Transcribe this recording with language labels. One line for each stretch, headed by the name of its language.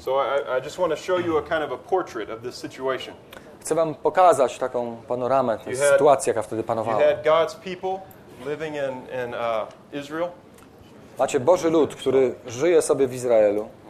English: So I just want to show you a kind of a portrait of this situation.
Polish: Chcę wam pokazać taką panoramę tej sytuacji, jaka wtedy panowała.
English: You had God's people living in Israel.
Polish: Macie Boży lud, który żyje sobie w Izraelu.